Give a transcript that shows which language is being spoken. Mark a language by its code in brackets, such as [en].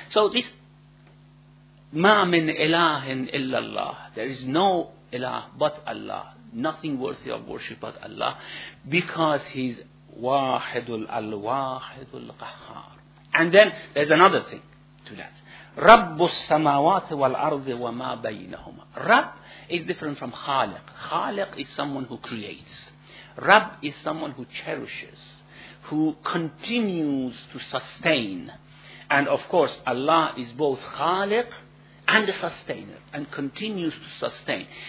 [en] So this, [ar] مَا مِنْ إِلَٰهٍ إِلَّا اللَّهِ, [en] there is no ilah but Allah, nothing worthy of worship but Allah, because He's [ar] وَاحِدُ الْأَلْوَاحِدُ الْقَحَّارِ. [en] And then there's another thing to that. [ar] رب السماوات والأرض وما بينهما. [en] رب is different from خالق. خالق is someone who creates. رب is someone who cherishes, who continues to sustain. And of course, Allah is both خالق and the sustainer, and continues to sustain.